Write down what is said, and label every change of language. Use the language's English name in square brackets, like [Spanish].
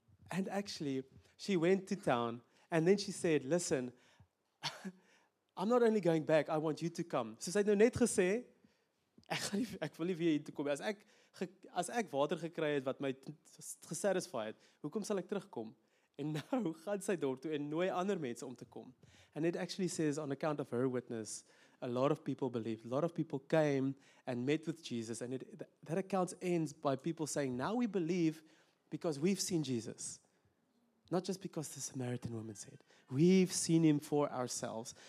[English] And actually, she went to town, and then she said, listen, I'm not only going back, I want you to come. [Afrikaans] So sy het nou net gesê, ek wil nie weer hier toe kom, as ek water gekry het wat my gesatisfied het, hoekom sal ek terugkom? En nou gaan sy dorp toe en nooi ander mense om te kom. [English] And it actually says, on account of her witness, a lot of people believed. A lot of people came and met with Jesus. And that account ends by people saying, now we believe because we've seen Jesus. Not just because the Samaritan woman said. We've seen Him for ourselves.